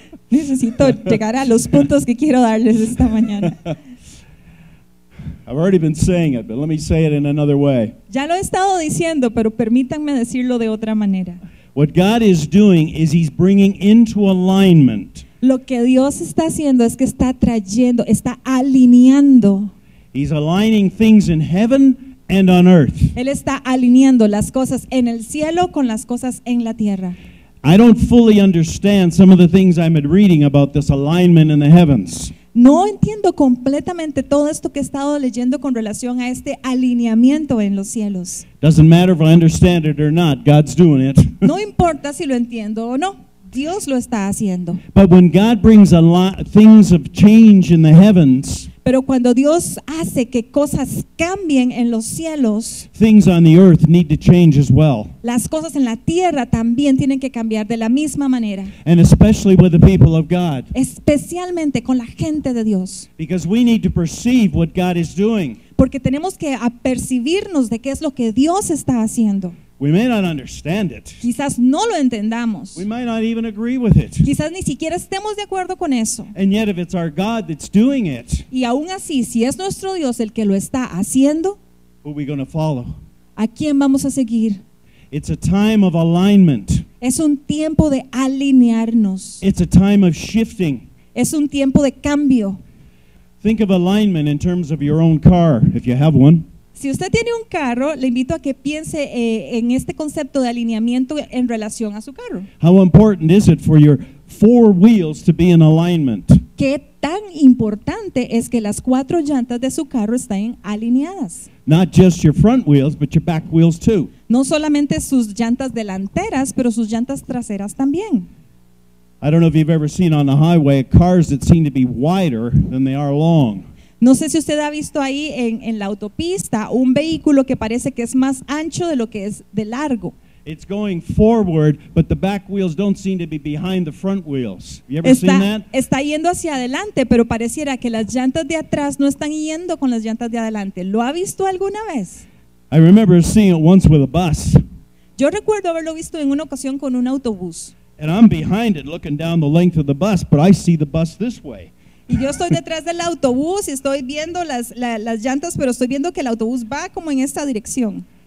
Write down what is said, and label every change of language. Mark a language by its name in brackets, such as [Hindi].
[Spanish] Necesito llegar a los puntos que quiero darles esta mañana. [English] I've already been saying it, but let me say it in another way. [Spanish] Ya lo he estado diciendo, pero permítanme decirlo de otra manera. [English] What God is doing is He's bringing into alignment. [Spanish] Lo que Dios está haciendo es que está trayendo, está alineando. [English] He's aligning things in heaven and on earth. [Spanish] Él está alineando las cosas en el cielo con las cosas en la tierra. [English] I don't fully understand some of the things I've been reading about this alignment in the heavens. [Spanish] No entiendo completamente todo esto que he estado leyendo con relación a este alineamiento en los cielos. [English] Doesn't matter if I understand it or not, God's doing it. [Spanish] No importa si lo entiendo o no, Dios lo está haciendo. [English] But when God brings a lot things of change in the heavens, [Spanish] pero cuando Dios hace que cosas cambien en los cielos, [English] things on the earth need to change as well. [Spanish] Las cosas en la tierra también tienen que cambiar de la misma manera. [English] And especially with the people of God. [Spanish] Especialmente con la gente de Dios. [English] Because we need to perceive what God is doing. [Spanish] Porque tenemos que apercibirnos de qué es lo que Dios está haciendo. [English] We may not understand it. [Spanish] Quizás no lo entendamos. [English] We might not even agree with it. [Spanish] Quizás ni siquiera estemos de acuerdo con eso. [English] And yet if it's our God that's doing it, [Spanish] y aún así, si es nuestro Dios el que lo está haciendo, [English] who are we going to follow? [Spanish] ¿A quién vamos a seguir? [English] It's a time of alignment. [Spanish] Es un tiempo de alinearnos. [English] It's a time of shifting. [Spanish] Es un tiempo de cambio. [English] Think of alignment in terms of your own car, if you have one. [Spanish] Si usted tiene un carro, le invito a que piense en este concepto de alineamiento en relación a su carro. [English] How important is it for your four wheels to be in alignment? [Spanish] ¿Qué tan importante es que las cuatro llantas de su carro estén alineadas? [English] Not just your front wheels, but your back wheels too. [Spanish] No solamente sus llantas delanteras, pero sus llantas traseras también. [English] I don't know if you've ever seen on the highway cars that seem to be wider than they are long. [Spanish] No sé si usted ha visto ahí en la autopista un vehículo que parece que es más ancho de lo que es de largo. [English] It's going forward, but the back wheels don't seem to be behind the front wheels. You ever [Spanish] está, [English] seen that? [Spanish] Está yendo hacia adelante, pero pareciera que las llantas de atrás no están yendo con las llantas de adelante. ¿Lo ha visto alguna vez? [English] I remember seeing it once with a bus. [Spanish] Yo recuerdo haberlo visto en una ocasión con un autobús. [English] And I'm behind it looking down the length of the bus, but I see the bus this way. [Spanish] Y yo estoy detrás del autobús y estoy viendo las llantas, pero estoy viendo que el autobús va como en esta dirección.